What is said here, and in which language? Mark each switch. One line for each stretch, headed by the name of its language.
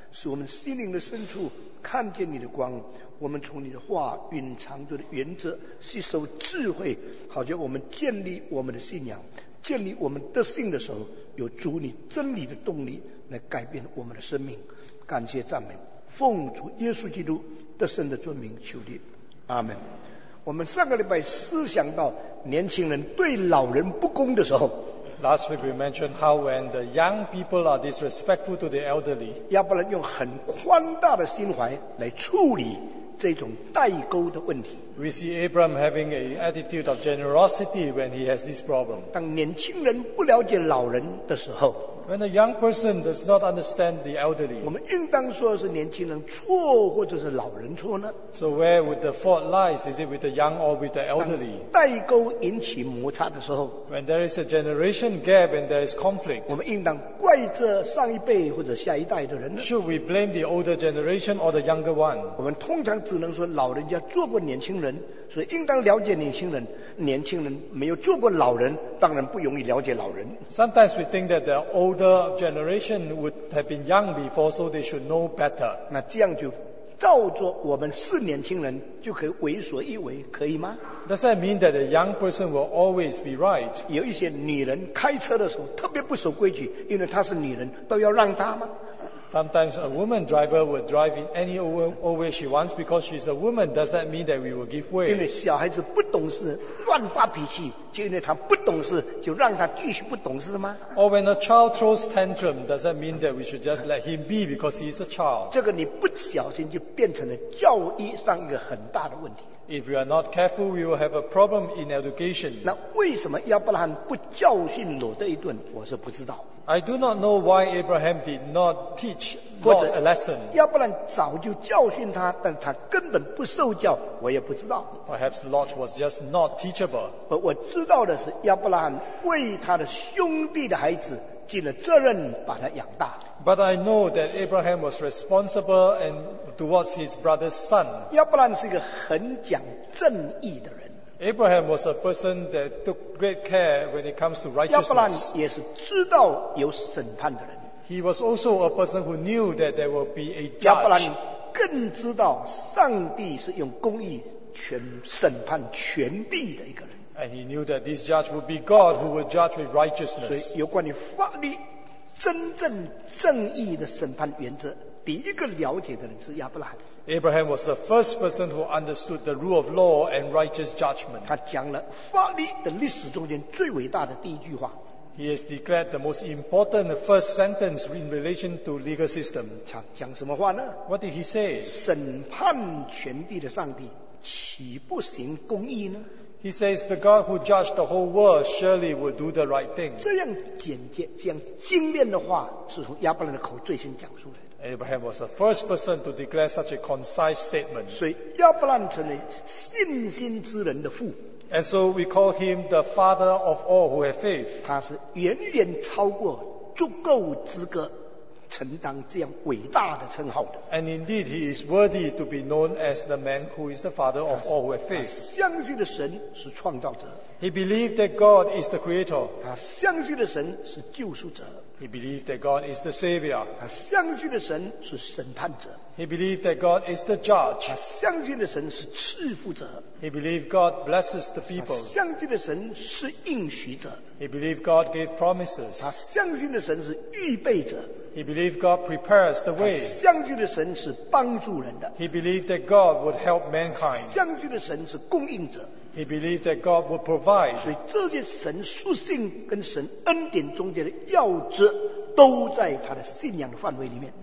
Chinese: 使我们心灵的深处看见你的光，我们从你的话蕴藏着的原则吸收智慧，好叫我们建立我们的信仰，建立我们德性的时候，有主你真理的动力来改变我们的生命。感谢赞美，奉主耶稣基督得胜的尊名求你，阿们。我们上个礼拜思想到年轻人对老人不公的时候，
English: Last week we mentioned how when the young people are disrespectful to the elderly，
Chinese: 要不然用很宽大的心怀来处理这种代沟的问题。
English: We see Abraham having an attitude of generosity when he has this problem。
Chinese: 当年轻人不了解老人的时候，
English: When a young person does not understand the elderly，
Chinese: 我们应当说是年轻人错或者是老人错呢？
English: So where would the fault lies? Is it with the young or with the elderly?
Chinese: 当代沟引起摩擦的时候，
English: When there is a generation gap and there is conflict，
Chinese: 我们应当怪这上一辈或者下一代的人呢？
English: Should we blame the older generation or the younger one？
Chinese: 我们通常只能说老人家做过年轻人，所以应当了解年轻人，年轻人没有做过老人，当然不容易了解老人。
English: Sometimes we think that the older generation would have been young before, so they should know better.
Chinese: 那这样就照着我们是年轻人就可以为所欲为，可以吗？
English: Does that mean that a young person will always be right?
Chinese: 有一些女人开车的时候特别不守规矩，因为她是女人都要让她吗？
English: Sometimes a woman driver would drive in any old way she wants because she's a woman. Does that mean that we will give way?
Chinese: 因为小孩子不懂事乱发脾气，就因为他不懂事就让他继续不懂事吗？
English: Or when a child throws tantrum, does that mean that we should just let him be because he's a child?
Chinese: 这个你不小心就变成了教育上一个很大的问题。
English: If we are not careful, we will have a problem in education.
Chinese: 那为什么亚伯拉罕不教训罗德一顿？我是不知道。
English: I do not know why Abraham did not teach Lot a lesson.
Chinese: 要不然早就教训他，但他根本不受教，我也不知道。
English: Perhaps Lot was just not teachable.
Chinese: 而我知道的是，亚伯拉罕为他的兄弟的孩子尽了责任，把他养大。
English: But I know that Abraham was responsible and towards his brother's son.
Chinese: 亚伯拉罕是一个很讲正义的人。
English: Abraham was a person that took great care when it comes to righteousness.
Chinese: 亚伯兰也是知道有审判的人。
English: He was also a person who knew that there will be a judge.
Chinese: 亚伯兰更知道上帝是用公义全审判全地的一个人。
English: And he knew that this judge would be God who would judge with righteousness.
Chinese: 所以有关于法律真正正义的审判原则，第一个了解的人是亚伯兰。
English: Abraham was the first person who understood the rule of law and righteous judgment.
Chinese: 他讲了法律的历史中间最伟大的第一句话。
English: He has declared the most important first sentence in relation to legal system.
Chinese: 他讲什么话呢？
English: What did he say?
Chinese: 审判全地的上帝岂不行公义呢？
English: He says the God who judged the whole world surely would do the right thing.
Chinese: 这样简洁、这样精炼的话是从亚伯兰的口最先讲出来的。
English: Abraham was the first person to declare such a concise statement.
Chinese: 所以亚伯兰成为信心之人的父。
English: And so we call him the father of all who have faith.
Chinese: 他是远远超过足够资格承担这样伟大的称号的。
English: And indeed he is worthy to be known as the man who is the father of all who have faith.
Chinese: 他相信的神是创造者。
English: He believed that God is the creator.
Chinese: 他相信的神是救赎者。
English: He believed that God is the Savior.
Chinese: 他相信的神是审判者。
English: He believed that God is the Judge.
Chinese: 他相信的神是赐福者。
English: He believed God blesses the people.
Chinese: 他相信的神是应许者。
English: He believed God gave promises.
Chinese: 他相信的神是预备者。
English: He believed God prepares the way.
Chinese: 他相信的神是帮助人的。
English: He believed that God would help mankind.
Chinese: 他相信的神是供应者。
English: He believed that God would provide.
Chinese: 所以这些神属性跟神恩典中间的要旨都在他的信仰的范围里面。